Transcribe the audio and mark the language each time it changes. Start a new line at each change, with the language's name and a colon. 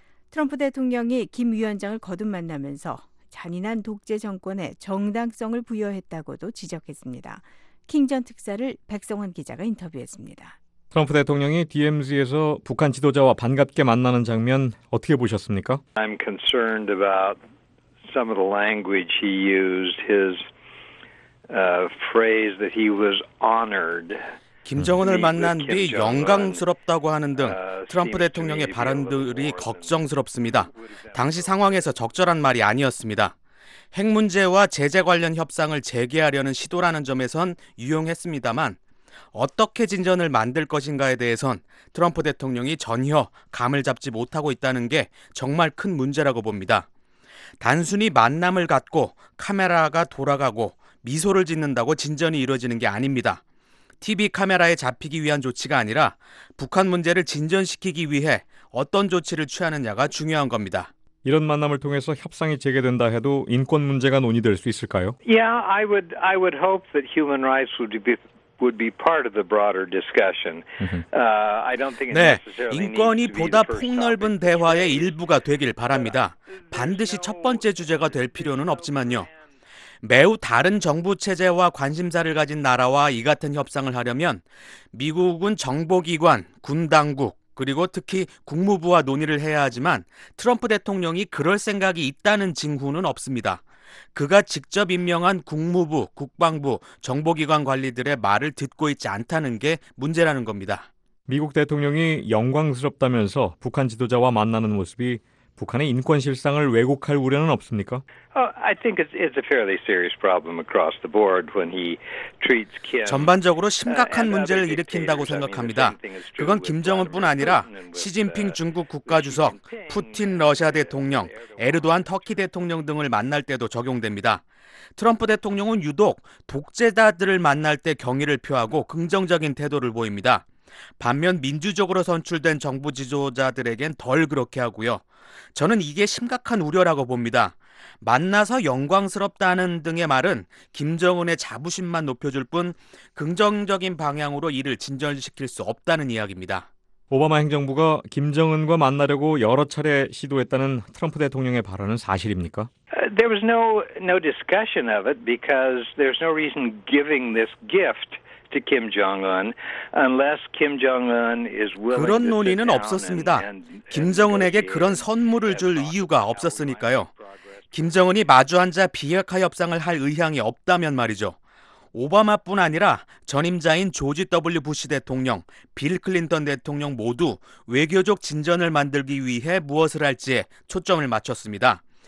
Korean: 트럼프 대통령이 김 위원장을 거듭 만나면서 잔인한 독재 정권에 정당성을 부여했다고도 지적했습니다. 킹 전 특사를 백성원 기자가 인터뷰했습니다. 트럼프 대통령이 DMZ에서 북한 지도자와 반갑게 만나는 장면 어떻게 보셨습니까?
English: I'm concerned about some of the language he used, his phrase that he was honored.
Korean: 김정은을 만난 뒤 영광스럽다고 하는 등 트럼프 대통령의 발언들이 걱정스럽습니다. 당시 상황에서 적절한 말이 아니었습니다. 핵 문제와 제재 관련 협상을 재개하려는 시도라는 점에선 유용했습니다만 어떻게 진전을 만들 것인가에 대해선 트럼프 대통령이 전혀 감을 잡지 못하고 있다는 게 정말 큰 문제라고 봅니다. 단순히 만남을 갖고 카메라가 돌아가고 미소를 짓는다고 진전이 이루어지는 게 아닙니다. TV 카메라에 잡히기 위한 조치가 아니라 북한 문제를 진전시키기 위해 어떤 조치를 취하느냐가 중요한 겁니다. 이런 만남을 통해서 협상이 재개된다 해도 인권 문제가 논의될 수 있을까요?
English: Yeah, I would hope that human rights would be part of the broader discussion. I don't think it's necessary.
Korean: 네, 인권이 보다 폭넓은 대화의 일부가 되길 바랍니다. 반드시 첫 번째 주제가 될 필요는 없지만요. 매우 다른 정부 체제와 관심사를 가진 나라와 이 같은 협상을 하려면 미국은 정보기관, 군당국, 그리고 특히 국무부와 논의를 해야 하지만 트럼프 대통령이 그럴 생각이 있다는 징후는 없습니다. 그가 직접 임명한 국무부, 국방부, 정보기관 관리들의 말을 듣고 있지 않다는 게 문제라는 겁니다. 미국 대통령이 영광스럽다면서 북한 지도자와 만나는 모습이 북한의 인권 실상을 왜곡할 우려는 없습니까?
English: I think it's a fairly serious problem across the board when he treats Kim.
Korean: 전반적으로 심각한 문제를 일으킨다고 생각합니다. 그건 김정은뿐 아니라 시진핑 중국 국가주석, 푸틴 러시아 대통령, 에르도안 터키 대통령 등을 만날 때도 적용됩니다. 트럼프 대통령은 유독 독재자들을 만날 때 경의를 표하고 긍정적인 태도를 보입니다. 반면 민주적으로 선출된 정부 지도자들에겐 덜 그렇게 하고요. 저는 이게 심각한 우려라고 봅니다. 만나서 영광스럽다는 등의 말은 김정은의 자부심만 높여줄 뿐 긍정적인 방향으로 일을 진전시킬 수 없다는 이야기입니다. 오바마 행정부가 김정은과 만나려고 여러 차례 시도했다는 트럼프 대통령의 발언은 사실입니까?
English: There was no discussion of it because there's no reason giving this gift.
Korean: 그런 논의는 없었습니다. 김정은에게 그런 선물을 줄 이유가 없었으니까요. 김정은이 마주앉아 비핵화 협상을 할 의향이 없다면 말이죠. 오바마뿐 아니라 전임자인 조지 W. 부시 대통령, 빌 클린턴 대통령 모두 외교적 진전을 만들기 위해 무엇을 할지에 초점을 맞췄습니다.